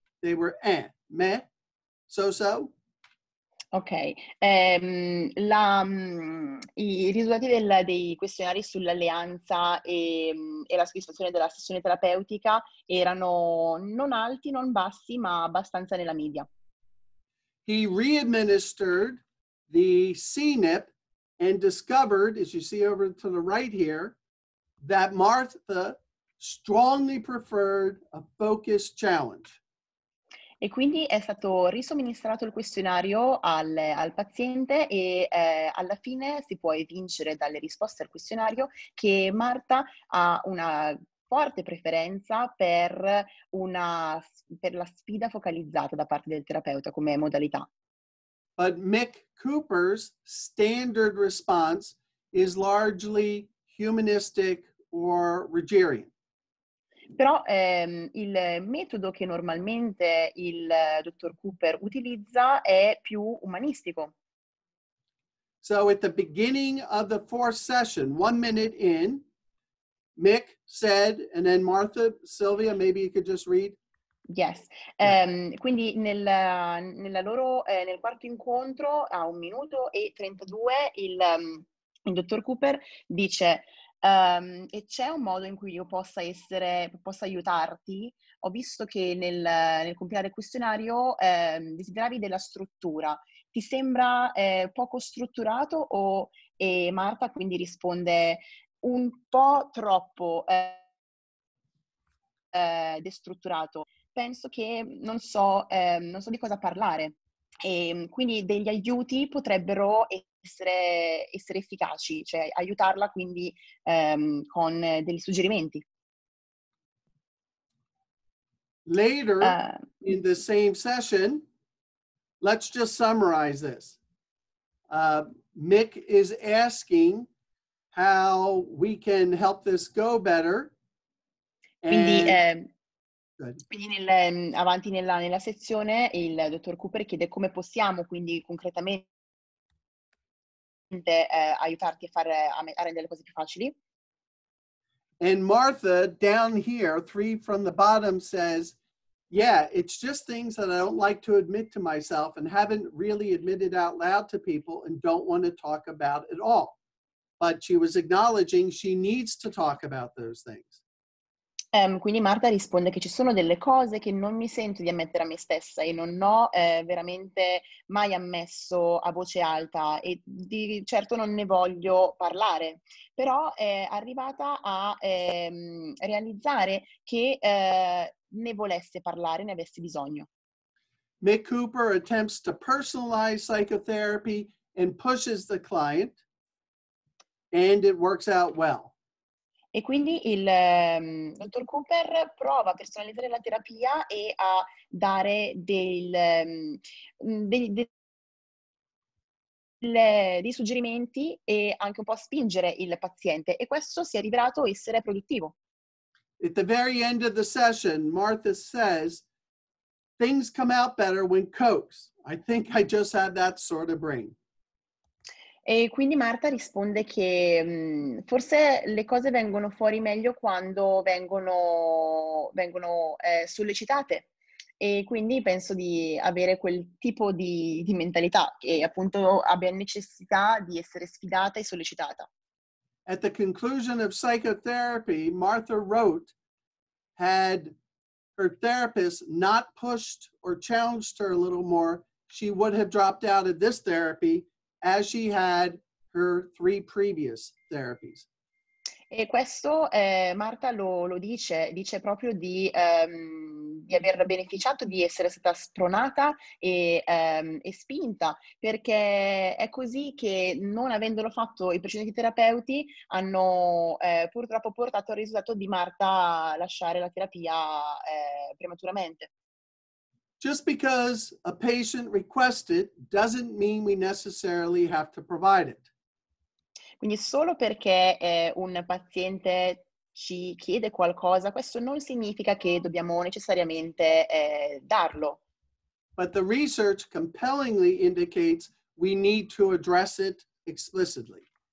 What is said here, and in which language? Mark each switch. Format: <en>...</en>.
<en>They were so-so.</en> <it>Ok, i risultati dei questionari sull'alleanza e la soddisfazione della sessione terapeutica erano non alti, non bassi, ma abbastanza nella media.</it> <en>He re-administered the CNIP and discovered, as you see over to the right here, that Martha strongly preferred a focused challenge.</en> <it>E quindi è stato risomministrato il questionario al paziente e alla fine si può evincere dalle risposte al questionario che Martha ha una forte preferenza per la sfida focalizzata da parte del terapeuta come modalità.</it> <en>But Mick Cooper's standard response is largely humanistic or Rogerian.</en> <it>Però il metodo che normalmente il dottor Cooper utilizza è più umanistico.</it> <en>So at the beginning of the fourth session, 1 minute in, Mick said, and then Martha, Sylvia, maybe you could just read. Yes.</en> <it>Quindi nel quarto incontro, a 1:32, il dottor Cooper dice: e c'è un modo in cui io possa aiutarti? Ho visto che nel compilare il questionario desideravi della struttura. Ti sembra poco strutturato? E Martha quindi risponde: un po' troppo destrutturato. Penso che non so di cosa parlare. E quindi degli aiuti potrebbero essere efficaci, cioè aiutarla quindi con degli suggerimenti.</it> <en>Later in the same session, let's just summarize this. Mick is asking how we can help this go better,</en> <it>Quindi, quindi nel, avanti nella, nella sezione, il dottor Cooper chiede come possiamo quindi concretamente aiutarti a fare, a rendere le cose più facili.</it> <en>And Martha, down here, three from the bottom, says, yeah, it's just things that I don't like to admit to myself and haven't really admitted out loud to people and don't want to talk about at all. But she was acknowledging she needs to talk about those things.</en> <it>Quindi Martha risponde che ci sono delle cose che non mi sento di ammettere a me stessa e non ho veramente mai ammesso a voce alta e di certo non ne voglio parlare, però è arrivata a realizzare che ne volesse parlare, ne avesse bisogno.</it> <en>Mick Cooper attempts to personalize psychotherapy and pushes the client, and it works out well.</en> <it>E quindi il dottor Cooper prova a personalizzare la terapia e a dare del, dei suggerimenti e anche un po' a spingere il paziente. E questo si è rivelato essere produttivo.</it> <en>At the very end of the session, Martha says, things come out better when coaxed. I think I just have that sort of brain.</en> <it>E quindi Martha risponde che forse le cose vengono fuori meglio quando vengono, vengono sollecitate. E quindi penso di avere quel tipo di mentalità che appunto abbia necessità di essere sfidata e sollecitata.</it> <en>At the conclusion of psychotherapy, Martha wrote, had her therapist not pushed or challenged her a little more, she would have dropped out of this therapy, as she had her three previous therapies.</en> <it>E questo Martha lo dice, dice proprio di aver beneficiato di essere stata spronata e spinta, perché è così che non avendolo fatto i precedenti terapeuti hanno purtroppo portato al risultato di Martha lasciare la terapia prematuramente.</it> <en>Just because a patient requests it doesn't mean we necessarily have to provide it.</en> <it>Quindi solo perché un paziente ci chiede qualcosa, questo non significa che dobbiamo necessariamente darlo.</it> <en>But the research compellingly indicates we need to address it explicitly.</en>